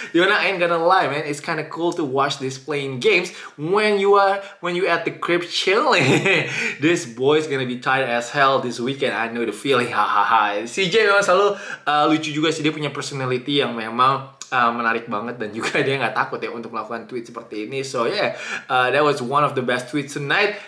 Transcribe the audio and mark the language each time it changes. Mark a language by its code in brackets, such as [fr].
[en] You know, I ain't gonna lie man, it's kinda cool to watch this playing games when you at the crib chilling. This boy's gonna be tired as hell this weekend, I know the feeling. [id] CJ memang selalu lucu juga sih, dia punya personality yang memang menarik banget, dan juga dia gak takut ya untuk melakukan tweet seperti ini. [en] So yeah, that was one of the best tweets tonight.